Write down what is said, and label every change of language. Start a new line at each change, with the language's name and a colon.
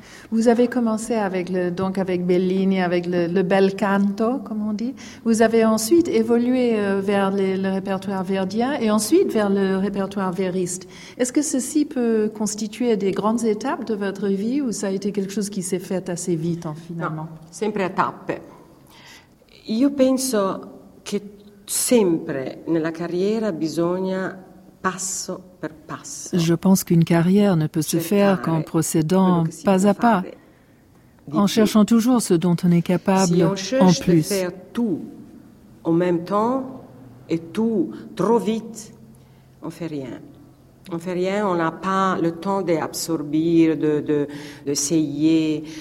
French: Vous avez commencé avec Bellini, avec le bel canto, comme on dit. Vous avez ensuite évolué vers le répertoire verdien et ensuite vers le répertoire veriste. Est-ce que ceci peut constituer des grandes étapes de votre vie ou ça a été quelque chose qui s'est fait assez vite, hein, finalement?
Italian: Non, sempre a tappe. Io penso che sempre nella carriera bisogna passo per passo.
French: Je pense qu'une carrière ne peut se faire qu'en procédant pas à pas, en cherchant toujours ce dont on est capable en plus. Si on cherche de faire tout en même temps et tout trop vite, on fait rien. On fait rien, on n'a pas le temps d'absorber, d'essayer.